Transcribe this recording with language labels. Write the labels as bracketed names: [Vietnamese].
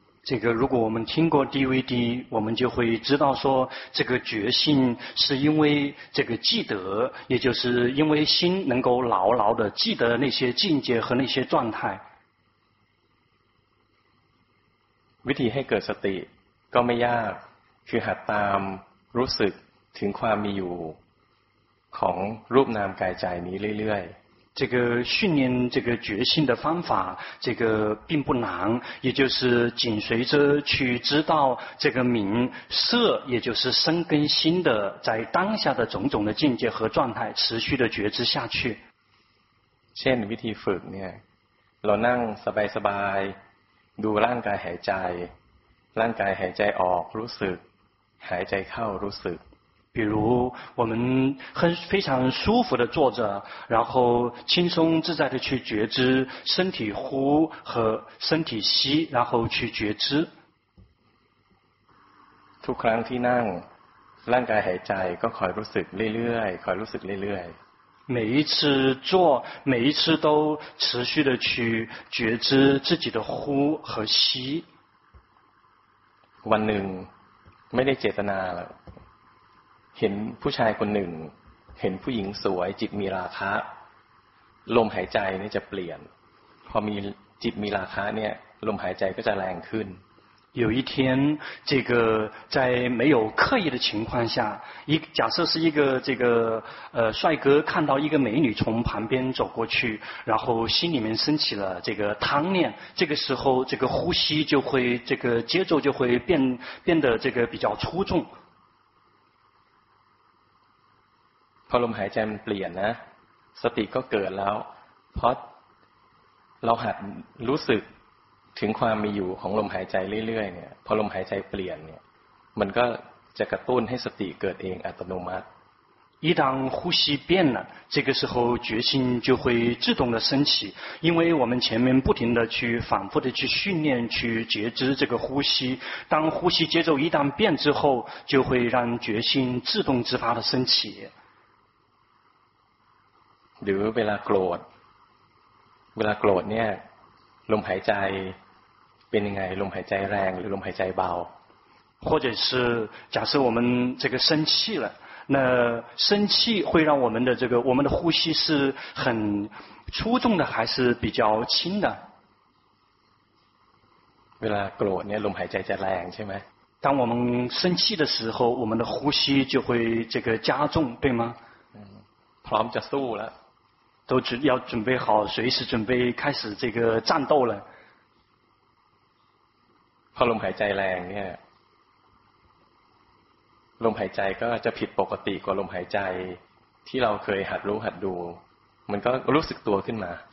[Chinese] 这个如果我们听过 DVD 我们就会知道说这个觉性是因为这个记得也就是因为心能够牢牢的记得那些境界和那些状态 [Thai] วิธีให้เกิดสติก็ไม่ยากคือหัดตามรู้สึกถึงความมีอยู่ของรูปนามกายใจนี้เรื่อยๆ [Chinese] 这个训练这个觉性的方法这个并不难也就是紧随着去知道这个名色也就是身跟心的在当下的种种的境界和状态持续的觉知下去 [Thai] เช่นวิธีฝึกเนี่ยเรานั่งสบายๆดูร่างกายหายใจร่างกายหายใจออกรู้สึกหายใจเข้ารู้สึก [Chinese] 比如我们很非常舒服的坐着然后轻松自在的去觉知身体呼和身体吸然后去觉知 [Thai] ทุกครั้งที่นั่งร่างกายหายใจก็คอยรู้สึกเรื่อยๆคอยรู้สึกเรื่อย [Chinese] ๆ每一次坐每一次都持续的去觉知自己的呼和吸 [Thai] วันหนึ่งไม่ได้เจตนาหรอกเห็นผู้ชายคนหนึ่งเห็นผู้หญิงสวยจิตมีราคะ ลมหายใจเนี่ยจะเปลี่ยนพอมีจิตมีราคะเนี่ยลมหายใจก็จะแรงขึ้น [Chinese] 有一天这个在没有刻意的情况下一假设是一个这个帅哥看到一个美女从旁边走过去然后心里面升起了这个贪念这个时候这个呼吸就会这个节奏就会变得这个比较粗重 [Thai] พอลมหายใจเปลี่ยนนะสติก็เกิดแล้วเพราะเราหัดรู้สึกถึงความมีอยู่ของลมหายใจเรื่อยๆเนี่ยพอลมหายใจเปลี่ยนเนี่ยมันก็จะกระตุ้นให้สติเกิดเองอัตโนมัติ [Chinese] 一旦呼吸变了这个时候决心就会自动的升起因为我们前面不停的去反复的去训练去觉知这个呼吸当呼吸节奏一旦变之后就会让决心自动自发的升起 [Thai] หรือเวลาโกรธเวลาโกรธเนี่ยลมหายใจเป็นยังไงลมหายใจแรงหรือลมหายใจเบา [Chinese] 或者是假设我们这个生气了那生气会让我们的这个我们的呼吸是很粗重的还是比较轻的 [Thai] เวลาโกรธเนี่ยลมหายใจจะแรงใช่ไหม [Chinese] 当我们生气的时候我们的呼吸就会这个加重对吗 [Thai] พร้อมจะสู้แล้ว [Chinese] 都要准备好随时准备开始这个战斗了 [Thai] พอลมหายใจแรงเนี่ยลมหายใจก็จะผิดปกติกว่าลมหายใจที่เราเคยหัดรู้หัดดูมันก็รู้สึกตัวขึ้นมา